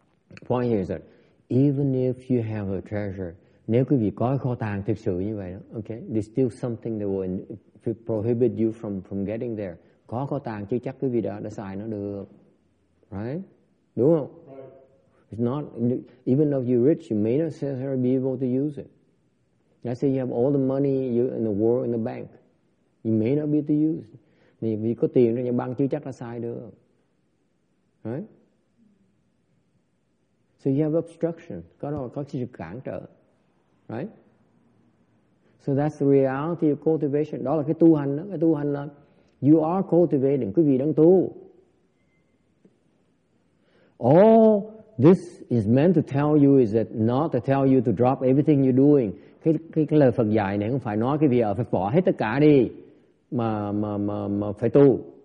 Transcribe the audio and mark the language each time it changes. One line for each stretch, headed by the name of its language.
English: The point here is that, even if you have a treasure,
Vietnamese: nếu quý vị có kho tàng thực sự như vậy,
English: okay, there's still something that will prohibit you from getting there.
Vietnamese: Có kho tàng chứ chắc quý vị đã xài nó được. Right? Đúng không?
English: Right. It's not, even though you're rich, you may not necessarily be able to use it. Let's say you have all the money in the world in the bank. You may not be able to use it.
Vietnamese: Thì vì có tiền trong nhà băng chưa chắc là sai được.
English: Right? So you have obstruction.
Vietnamese: Có sự cản trở.
English: Right? So that's the reality of cultivation.
Vietnamese: Đó là cái tu hành đó. Cái tu hành là
English: you are cultivating.
Vietnamese: Quý vị đang tu.
English: All this is meant to tell you is that not to tell you to drop everything you're doing.
Vietnamese: Cái lời Phật dạy này không phải nói cái việc phải bỏ hết tất cả đi mà phải tu.